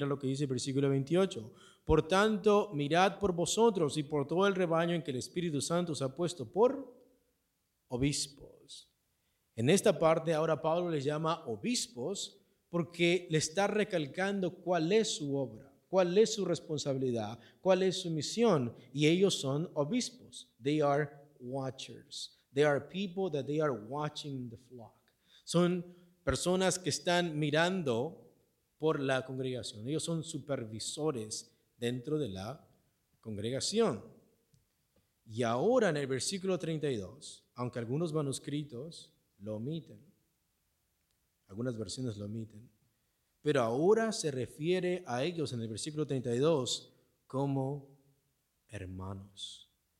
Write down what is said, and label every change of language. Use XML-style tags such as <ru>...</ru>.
<es>Mira lo que dice el versículo 28. Por tanto, mirad por vosotros y por todo el rebaño en que el Espíritu Santo os ha puesto por obispos. En esta parte, ahora Pablo les llama obispos porque le está recalcando cuál es su obra, cuál es su responsabilidad, cuál es su misión. Y ellos son obispos.</es> <en>They are watchers. They are people that they are watching the flock.</en> <es>Son personas que están mirando por la congregación. Ellos son supervisores dentro de la congregación. Y ahora en el versículo 32, aunque algunos manuscritos lo omiten, algunas versiones lo omiten, pero ahora se refiere a ellos en el versículo 32 como hermanos.</es>